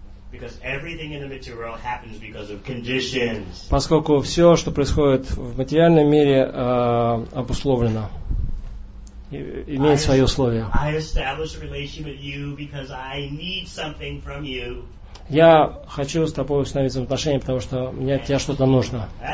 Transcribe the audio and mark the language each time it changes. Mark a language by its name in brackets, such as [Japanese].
[English] Because everything in the material world happens because of conditions. [Russian] Поскольку все, что происходит в материальном мире, обусловлено. Имеет свои условия. [English] I establish a relationship with you because I need something from you. [Russian] Я хочу с тобой установить взаимоотношения, потому что мне от тебя что-то нужно.